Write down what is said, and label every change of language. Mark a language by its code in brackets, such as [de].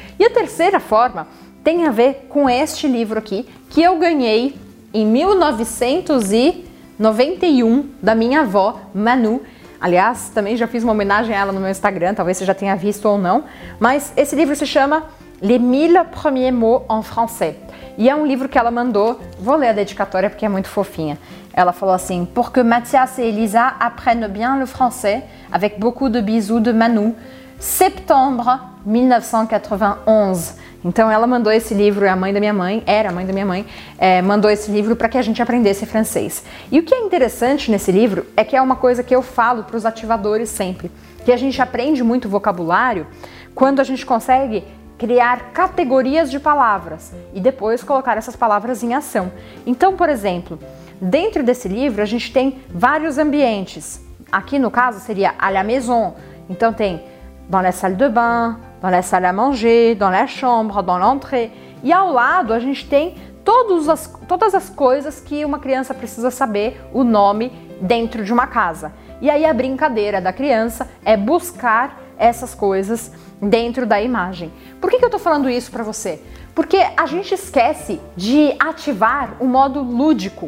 [pt] E a terceira forma tem a ver com este livro aqui, que eu ganhei em 1991 da minha avó, Manu. Aliás, também já fiz uma homenagem a ela no meu Instagram, talvez você já tenha visto ou não. Mas esse livro se chama [fr] Les mille premiers mots en français. [pt] E é um livro que ela mandou. Vou ler a dedicatória porque é muito fofinha. Ela falou assim: [fr] Pour que Mathias et Elisa apprennent bien le français, avec beaucoup de bisous de Manu, septembre 1991. [pt] Então ela mandou esse livro, a mãe da minha mãe, mandou esse livro para que a gente aprendesse francês. E o que é interessante nesse livro é que é uma coisa que eu falo para os ativadores sempre, que a gente aprende muito vocabulário quando a gente consegue criar categorias de palavras e depois colocar essas palavras em ação. Então, por exemplo, dentro desse livro a gente tem vários ambientes. Aqui no caso seria [fr] à la maison. [pt] Então tem [fr] dans la salle de bain, dans la salle à manger, dans la chambre, dans l'entrée. [pt] E ao lado a gente tem todas as coisas que uma criança precisa saber o nome dentro de uma casa. E aí a brincadeira da criança é buscar essas coisas dentro da imagem. Por que eu tô falando isso pra você? Porque a gente esquece de ativar o modo lúdico.